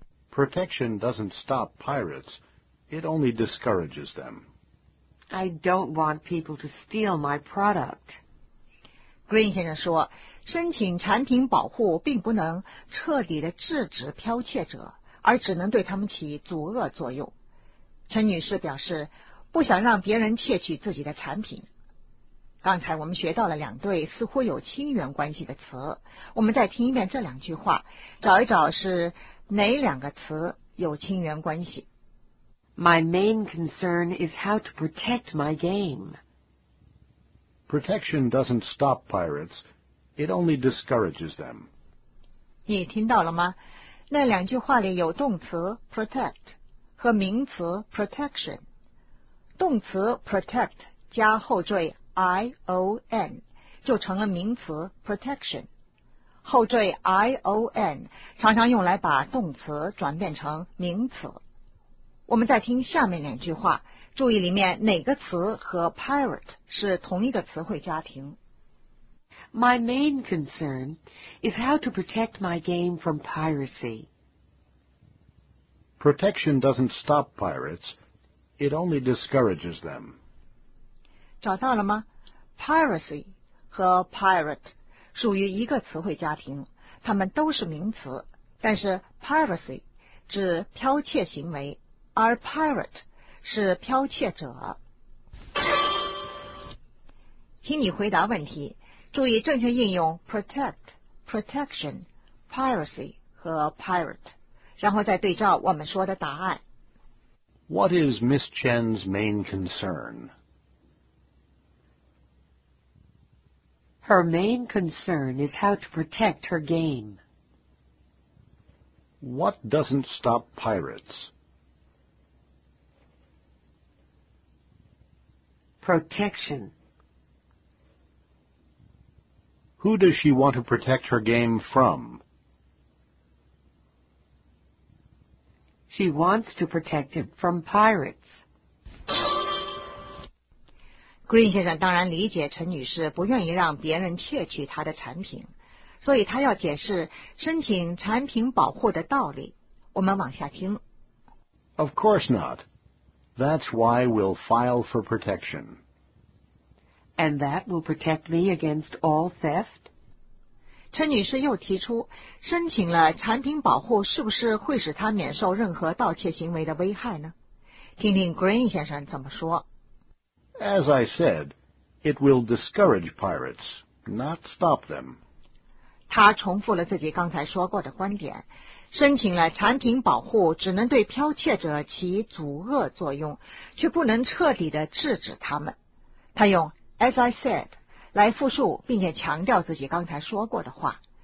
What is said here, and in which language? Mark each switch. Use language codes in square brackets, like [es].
[en] Protection doesn't stop pirates, it only discourages them. I don't want people to steal my product. [zh] Green 先生说，申请产品保护并不能彻底地制止剽窃者，而只能对他们起阻遏作用。陈女士表示，不想让别人窃取自己的产品。刚才我们学到了两对似乎有亲缘关系的词，我们再听一遍这两句话，找一找是哪两个词有亲缘关系。 [en] My main concern is how to protect my game. Protection doesn't stop pirates, it only discourages them. [zh] 你听到了吗？那两句话里有动词 protect 和名词 protection。动词 protect 加后缀 ion 就成了名词 protection。后缀 ion 常常用来把动词转变成名词。我们再听下面两句话，注意里面哪个词和 pirate 是同一个词汇家庭。 [en] My main concern is how to protect my game from piracy. Protection doesn't stop pirates, it only discourages them. [zh] 找到了吗？ Piracy 和 pirate 属于一个词汇家庭，它们都是名词，但是 piracy 指剽窃行为，而 pirate 是剽窃者。听你回答问题，注意正确应用 protect、protection、piracy 和 pirate， 然后再对照我们说的答案。 [en] What is Miss Chen's main concern? Her main concern is how to protect her game. What doesn't stop pirates? Protection. Who does she want to protect her game from? She wants to protect it from pirates. [zh] Green 先生当然理解陈女士不愿意让别人窃取她的产品，所以他要解释申请产品保护的道理。我们往下听。 [en] Of course not. That's why we'll file for protection. And that will protect me against all theft? [zh] 陈女士又提出，申请了产品保护是不是会使她免受任何盗窃行为的危害呢？听听 Green 先生怎么说。 [en] As I said, it will discourage pirates, not stop them. [zh] 她重复了自己刚才说过的观点，申请了产品保护只能对剽窃者起阻遏作用，却不能彻底地制止他们。她用 [en] As I said, [zh] 来复述并且强调自己刚才说过的话。